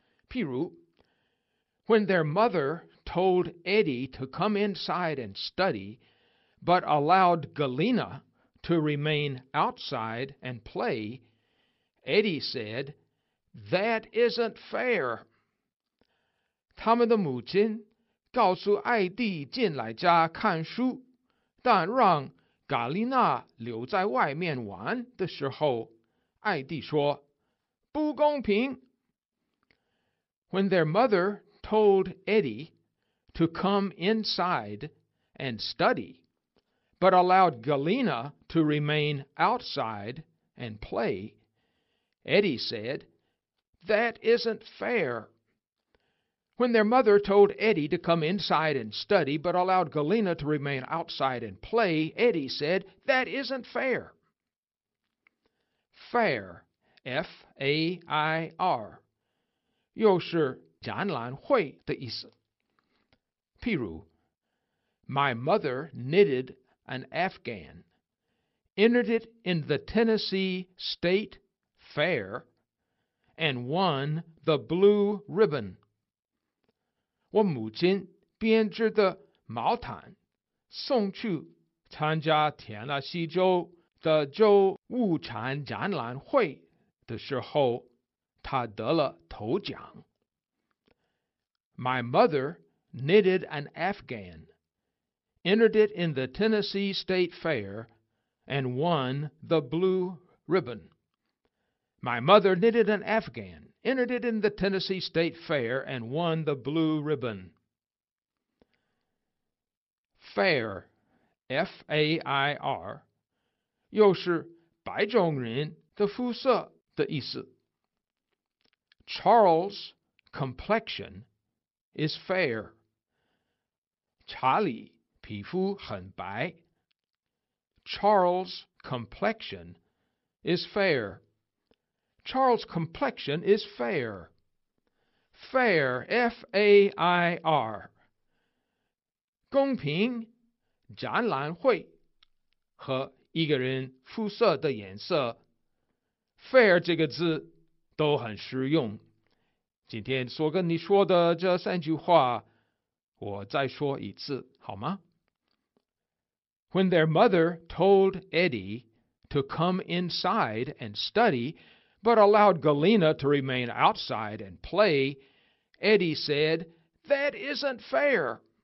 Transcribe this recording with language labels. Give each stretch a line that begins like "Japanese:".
Chinese: 譬如
English: When their mother told Eddie to come inside and study, but allowed Galena to remain outside and play, Eddie said, That isn't fair.
Chinese: 他们的母亲告诉艾蒂进来家看书，但让嘎丽娜留在外面玩的时候，艾蒂说：“不公平。”
English: When their mother told Eddie to come inside and study, but allowed Galena to remain outside and play, Eddie said, "That isn't fair." When their mother told Eddie to come inside and study, but allowed Galena to remain outside and play, Eddie said, "That isn't fair."
Chinese: Fair, F-A-I-R, 又是展览会的意思。譬如
English: My mother knitted an afghan, entered it in the Tennessee State Fair, and won the blue ribbon.
Chinese: 我母亲编织的毛毯送去参加田纳西州的州物产展览会的时候，她得了头奖。
English: My mother knitted an afghan, entered it in the Tennessee State Fair, and won the blue ribbon. My mother knitted an afghan, entered it in the Tennessee State Fair, and won the blue ribbon.
Chinese: Fair, F-A-I-R, 又是白种人的肤色的意思。
English: Charles' complexion is fair.
Chinese: 查理皮肤很白。
English: Charles' complexion is fair. Charles' complexion is fair. Fair, F-A-I-R.
Chinese: 公平，展览会和一个人肤色的颜色 ，fair 这个字都很实用。今天所跟你说的这三句话，我再说一次好吗
English: ？When their mother told Eddie to come inside and study, but allowed Galena to remain outside and play, Eddie said, "That isn't fair."